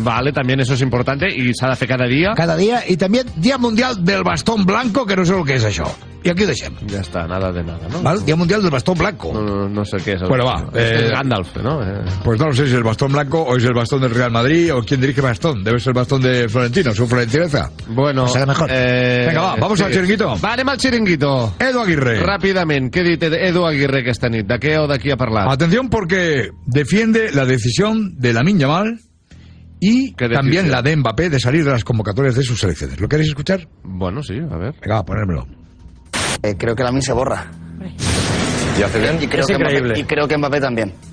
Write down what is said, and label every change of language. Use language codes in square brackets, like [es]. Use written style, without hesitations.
[ca] Vale, també això és important i s'ha de fer cada dia. Cada dia, i també Dia Mundial del Bastón Blanco, que no sé el que és això. I aquí ho deixem. Ja està, [es] nada de nada, [ca] no? Val? Dia Mundial del Bastón Blanco. No sé què és. Bueno, va. És Gandalf, no? [es] Pues no sé si és el Bastón Blanco o és el Bastón del Real Madrid o quién dirige Bastón. Debe ser el Bastón de Florentino, su florentineza. Bueno. O sea, mejor. Venga, va, vamos sí. al chiringuito. [ca] Va, anem al chiringuito. Edu Aguirre. Ràpidament, què dite Edu Aguirre aquesta nit? De què o de qui ha parlat? [es] Atención, porque defiende la decisión de Lamine Yamal y también la de Mbappé de salir de las convocatorias de sus selecciones. ¿Lo queréis escuchar? Bueno, sí, a ver. Venga, a ponérmelo. Creo que Lamine se borra. ¿Y hace bien? Y creo, es que increíble. Mbappé, y creo que Mbappé también.